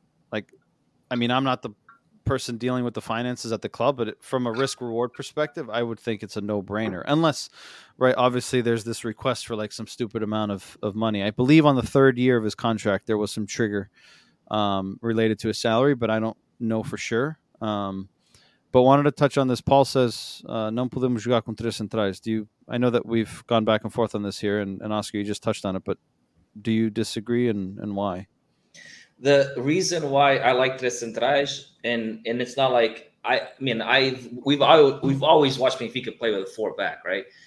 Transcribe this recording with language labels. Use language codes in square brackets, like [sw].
[en] Like, I mean, I'm not the person dealing with the finances at the club, but from a risk-reward perspective, I would think it's a no-brainer. Unless, right, obviously there's this request for, like, some stupid amount of money. I believe on the third year of his contract there was some trigger related to his salary, but I don't know for sure. But wanted to touch on this. Paul says, [pt] "Não podemos jogar com três centrais." [en] Do you? I know that we've gone back and forth on this here, and Oscar, you just touched on it. But do you disagree, and why? The reason why I like três centrais, and it's not like we've always watched Benfica play with a four back, right?